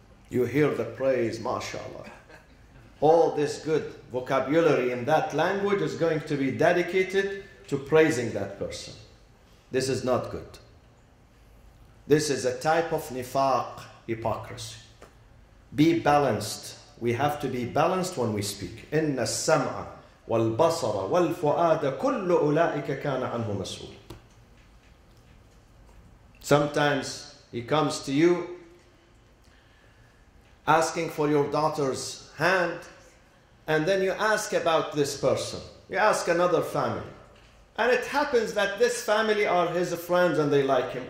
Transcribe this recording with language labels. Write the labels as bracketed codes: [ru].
[en] You hear the praise, mashallah. All this good vocabulary in that language is going to be dedicated to praising that person. This is not good. This is a type of nifaq, hypocrisy. Be balanced. We have to be balanced when we speak. [ar] إِنَّ السَّمْعَ وَالْبَصَرَ وَالْفُؤَادَ كُلُّ أُولَٰئِكَ كَانَ عَنْهُ مَسْؤُولٌ. [en] Sometimes he comes to you asking for your daughter's hand, and then you ask about this person. You ask another family. And it happens that this family are his friends and they like him.